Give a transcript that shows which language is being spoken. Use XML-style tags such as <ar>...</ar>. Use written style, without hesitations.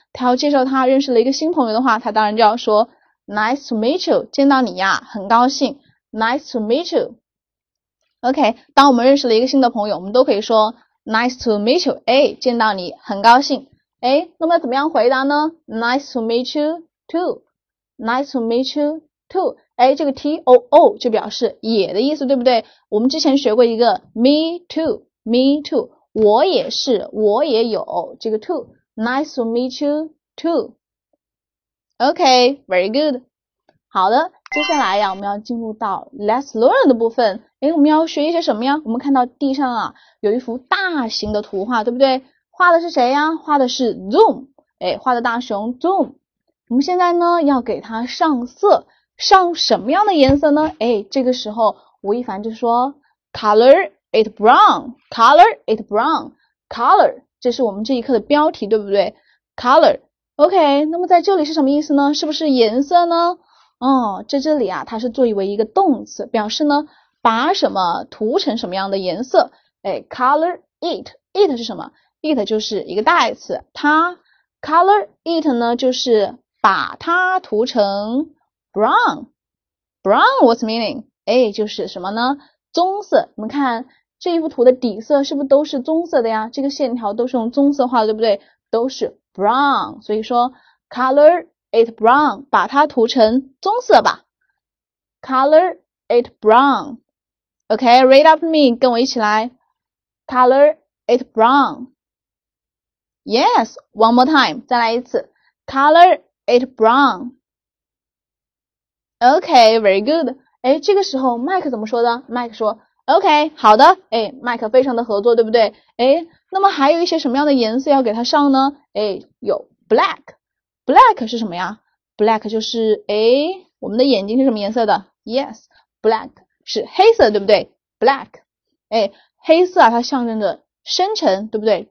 <zh>他要介绍他认识了一个新朋友的话，他当然就要说</zh> <en>Nice to meet you,</en> <zh>见到你呀，很高兴 Nice to meet you, OK, 当我们认识了一个新的朋友，我们都可以说Nice to meet you, 诶，见到你很高兴。诶，那么怎么样回答呢？</zh> <en>Nice to meet you too, nice to meet you too.</en> <zh>诶，这个 too 就表示也的意思，对不对？</zh> <en>我们之前学过一个 me too, me too,</en> <zh>我也是，我也有，</zh> <en>这个 too, nice to meet you too. OK, very good.</en> <zh>好的，接下来呀，我们要进入到 Let's learn 的部分。诶，我们要学一些什么呀？我们看到地上啊有一幅大型的图画，对不对？画的是谁呀？画的是 Zoom, 诶，画的大熊 Zoom。我们现在呢要给它上色，上什么样的颜色呢？诶，这个时候吴亦凡就说 Color</zh> <en>It brown, color it brown, color</en> <zh>这是我们这一课的标题，对不对？</zh> <en>Color, OK。</en> <zh>那么在这里是什么意思呢？是不是颜色呢？哦，在这里啊，它是作为一个动词，表示呢把什么涂成什么样的颜色。哎，color it, it 是什么？it 就是一个代词，它 color it 呢就是把它涂成 brown。</zh> <en>Brown, what's meaning？</en> <zh>哎，就是什么呢？棕色。你们看。这一幅图的底色是不是都是棕色的呀？这个线条都是用棕色画的，对不对？都是 brown，所以说 color it brown，把它涂成棕色吧。</zh> <en>Color it brown，OK，read up me，</en> <zh>跟我一起来。</zh> <en>Color it brown，Yes，one more time，</en> <zh>再来一次。</zh> <en>Color it brown，OK，very good。</en> <zh>哎，这个时候 Mike 怎么说的？Mike 说。OK，好的，哎，麦克非常的合作，对不对？哎，那么还有一些什么样的颜色要给它上呢？哎，有 black，black 是什么呀？black 就是哎，我们的眼睛是什么颜色的？Yes，black 是黑色，对不对？black，哎，黑色啊，它象征着深沉，对不对？</zh>